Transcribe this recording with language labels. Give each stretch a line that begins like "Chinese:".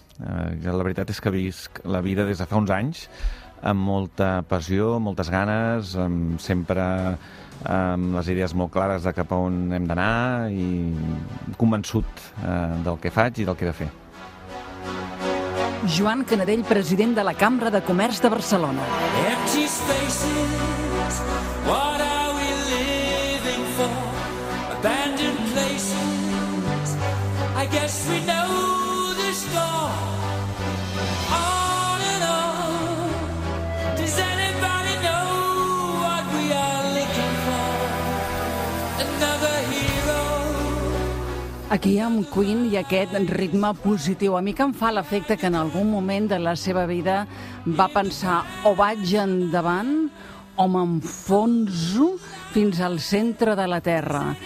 Catalan: La veritat és que visc la vida des de fa uns anys amb molta passió, moltes ganes, sempre amb les idees molt clares de cap a on hem d'anar i convençut del que faig i del que he de fer. Joan Canadell, president de la Cambra de Comerç de Barcelona.
English: Empty spaces, what are we living for? Abandoned places, I guess we know this law. All in all, does anybody know what we are looking for? Another hero.
Catalan: Aquí amb Queen i aquest ritme positiu. A mi que em fa l'efecte que en algun moment de la seva vida va pensar o vaig endavant o m'enfonso fins al centre de la Terra.